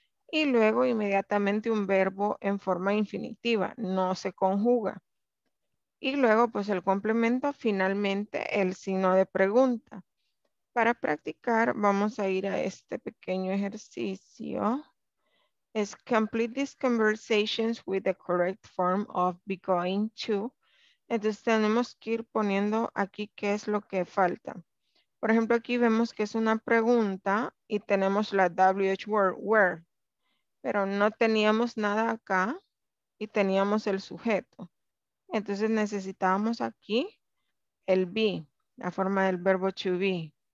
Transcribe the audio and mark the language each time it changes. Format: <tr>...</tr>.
<es>Y luego, inmediatamente, un verbo en forma infinitiva. No se conjuga. Y luego, pues, el complemento. Finalmente, el signo de pregunta. Para practicar, vamos a ir a este pequeño ejercicio.</es> <en>Is complete these conversations with the correct form of be going to.</en> <es>Entonces tenemos que ir poniendo aquí qué es lo que falta. Por ejemplo, aquí vemos que es una pregunta y tenemos la WH word, where. Pero no teníamos nada acá y teníamos el sujeto. Entonces necesitábamos aquí el be, la forma del verbo to be.</es>